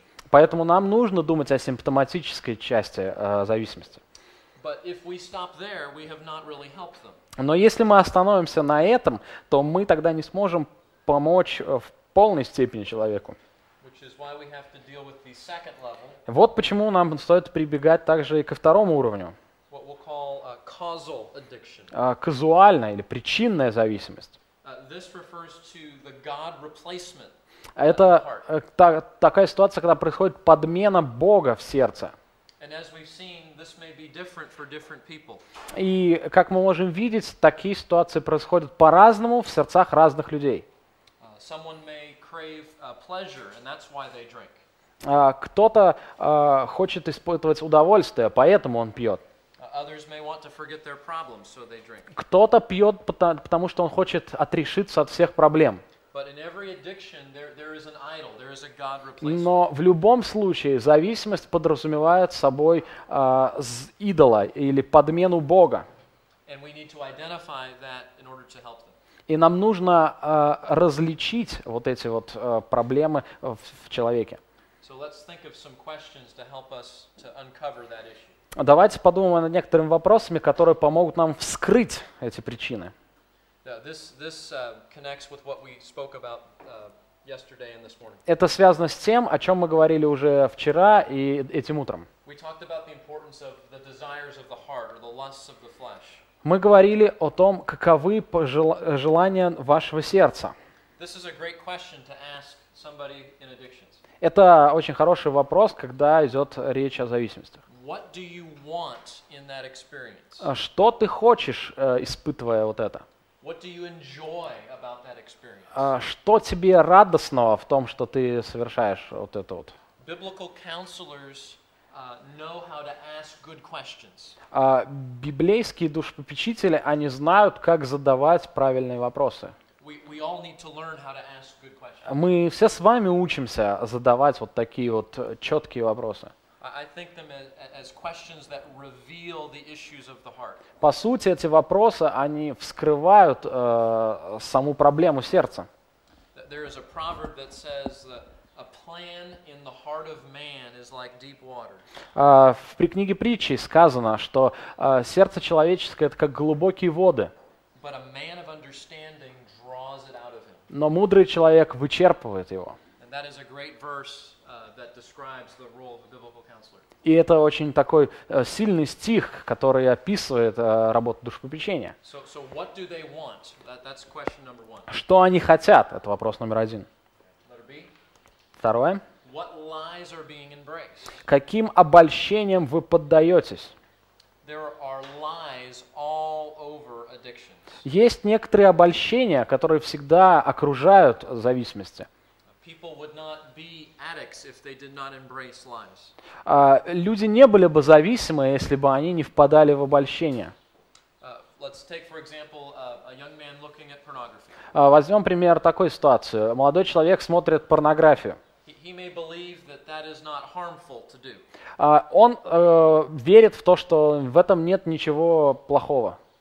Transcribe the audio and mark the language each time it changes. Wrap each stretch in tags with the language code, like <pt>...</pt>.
<ru>Поэтому нам нужно думать о симптоматической части зависимости.</ru> <en>But if we stop there, we have not really helped them.</en> <ru>Но если мы остановимся на этом, то мы тогда не сможем помочь в полной степени человеку.</ru> <en>Which is why we have to deal with the second level.</en> <ru>Вот почему нам стоит прибегать также и ко второму уровню.</ru> <en>What we'll call a causal addiction.</en> <ru>Казуальная или причинная зависимость.</ru> <en>This refers to the God replacement.</en> <ru>Это такая ситуация, когда происходит подмена Бога в сердце.</ru> <en>And as we've seen, this may be different for different people.</en> <ru>И как мы можем видеть, такие ситуации происходят по-разному в сердцах разных людей.</ru> <en>Someone may crave pleasure, and that's why they drink.</en> <ru>Кто-то хочет испытывать удовольствие, поэтому он пьет.</ru> <en>Others may want to forget their problems, so they drink.</en> <ru>Кто-то пьет, потому что он хочет отрешиться от всех проблем.</ru> <en>But in every addiction there is an idol, there is a god replacement.</en> <ru>Но в любом случае зависимость подразумевает собой идола или подмену Бога.</ru> <en>And we need to identify that in order to help them.</en> <ru>И нам нужно различить вот эти вот проблемы в человеке.</ru> <en>So let's think of some questions to help us to uncover that issue.</en> <ru>Давайте подумаем над некоторыми вопросами, которые помогут нам вскрыть эти причины.</ru> <en>This connects with what we spoke about yesterday and this morning.</en> <ru>Это связано с тем, о чем мы говорили уже вчера и этим утром.</ru> <en>We talked about the importance of the desires of the heart or the lusts of the flesh.</en> <ru>Мы говорили о том, каковы желания вашего сердца.</ru> <en>This is a great question to ask somebody in addictions.</en> <ru>Это очень хороший вопрос, когда идет речь о зависимостях.</ru> <en>What do you want in that experience?</en> <ru>Что ты хочешь, испытывая вот это?</ru> <en>What do you enjoy about that experience?</en> <ru>Что тебе радостного в том, что ты совершаешь вот это вот?</ru> <en>Biblical counselors know how to ask good questions.</en> <ru>Библейские душепопечители, они знают, как задавать правильные вопросы.</ru> <en>We all need to learn how to ask good questions.</en> <ru>Мы все с вами учимся задавать вот такие вот четкие вопросы.</ru> <en>I think them as questions that reveal the issues of the heart.</en> <ru>По сути, эти вопросы, они вскрывают саму проблему сердца.</ru> <en>There is a proverb that says that a plan in the heart of man is like deep water.</en> <ru>В книге притчей сказано, что сердце человеческое это как глубокие воды.</ru> <en>But a man of understanding draws it out of him.</en> <ru>Но мудрый человек вычерпывает его.</ru> <en>And And that is a great verse that describes the role of a biblical counselor.</en> <ru>И это очень такой сильный стих, который описывает работу душепопечения.</ru> <en>So what do they want? That's question number one.</en> <ru>Что они хотят? Это вопрос номер один.</ru> <en>Letter B.</en> <ru>Второе.</ru> <en>What lies are being embraced?</en> <ru>Каким обольщением вы поддаетесь?</ru> <en>There are lies all over addictions.</en> <ru>Есть некоторые обольщения, которые всегда окружают зависимости.</ru> <en>People would not be addicts if they did not embrace lies.</en> <ru>Люди не были бы зависимы, если бы они не впадали в обольщение.</ru> <en>Let's take, for example, a young man looking at pornography.</en> <ru>Возьмем пример такой ситуации. Молодой человек смотрит порнографию.</ru> <en>He may believe that that is not harmful to do.</en> <ru>Он верит в то, что в этом нет ничего плохого.</ru>